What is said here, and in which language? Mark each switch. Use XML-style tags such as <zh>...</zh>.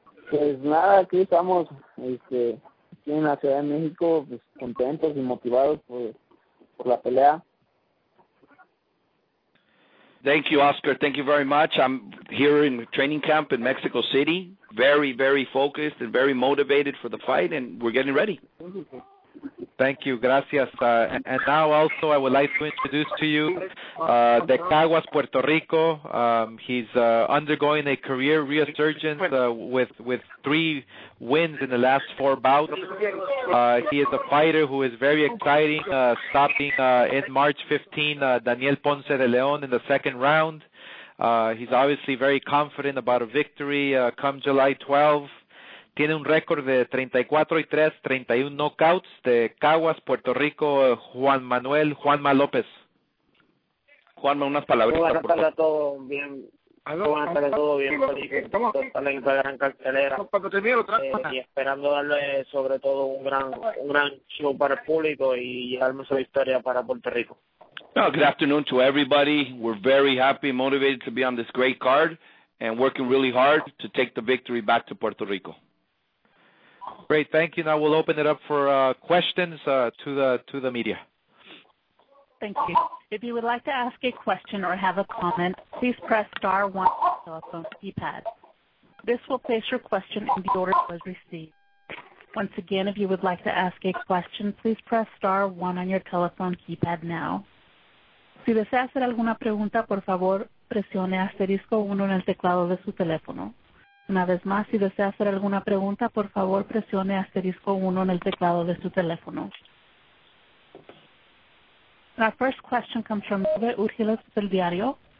<es>Pues nada, aquí estamos aquí en la Ciudad de México, pues contentos y motivados por la pelea.</es> <en>Thank you, Oscar. Thank you very much. I'm here in training camp in Mexico City, very, very focused and very motivated for the fight, and we're getting ready. Thank you. Gracias. And now also I would like to introduce to you De Caguas, Puerto Rico. He's undergoing a career resurgence with 3 wins in the last 4 bouts. He is a fighter who is very exciting, stopping in March 15 Daniel Ponce de León in the second round. He's obviously very confident about a victory come July 12th.</en> <es>Tiene un récord de 34-3, 31 knockouts de Caguas, Puerto Rico, Juanma López. Juanma, unas palabritas. Buenas tardes a todos. Bien, Aló, ¿cómo están? ¿Todo bien? Estamos en la gran cartelera. Cuando termine lo trajo. Y esperando darle, sobre todo, un gran show para el público y llevarme su historia para Puerto Rico.</es> <en>Oh, good afternoon to everybody. We're very happy and motivated to be on this great card and working really hard to take the victory back to Puerto Rico. Great, thank you. Now we'll open it up for questions to the media. Thank you. If you would like to ask a question or have a comment, please press star 1 on your telephone keypad. This will place your question in the order it was received. Once again, if you would like to ask a question, please press star 1 on your telephone keypad now.</en> <es>Si desea hacer alguna pregunta, por favor, presione asterisco 1 en el teclado de su teléfono. Una vez más, si desea hacer alguna pregunta, por favor, presione asterisco 1 en el teclado de su teléfono.</es> <en>Our first question comes from Nieve Urgiles del diario.</en>